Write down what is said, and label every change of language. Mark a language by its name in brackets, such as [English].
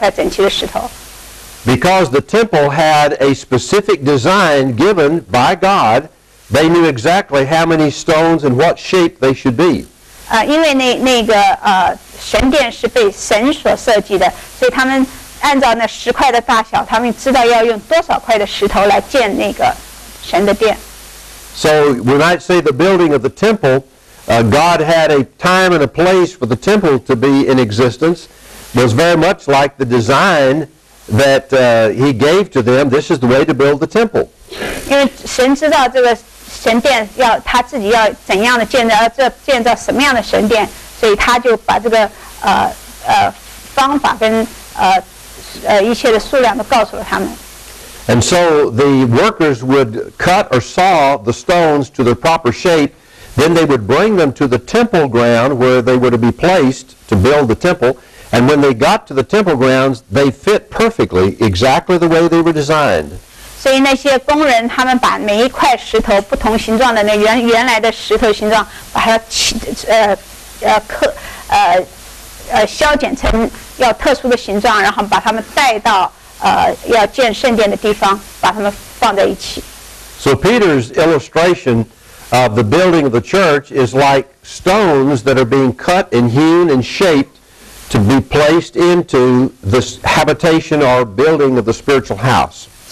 [Chinese] 他说那些石块呢，他们被剪，被裁剪成一块块石头，一块块整齐的石头。 [English] Because the temple had a specific design given by God, they knew exactly how many stones and what shape they should be. [Chinese] 因为那个神殿是被神所设计的，所以他们按照那石块的大小，他们知道要用多少块的石头来建那个神的殿。 [English] So we might say the building of the temple. God had a time and a place for the temple to be in existence. It was very much like the design that he gave to them. This is the way to build the temple. Because And so the workers would cut or saw the stones to their proper shape. Then they would bring them to the temple ground where they were to be placed to build the temple. And when they got to the temple grounds, they fit perfectly, exactly the way they were designed. [Chinese] 所以那些工人他们把每一块石头不同形状的那原来的石头形状把它削剪成要特殊的形状然后把它们带到要建圣殿的地方把它们放在一起。 [English] So Peter's illustration of the building of the church is like stones that are being cut and hewn and shaped to be placed into this habitation or building of the spiritual house.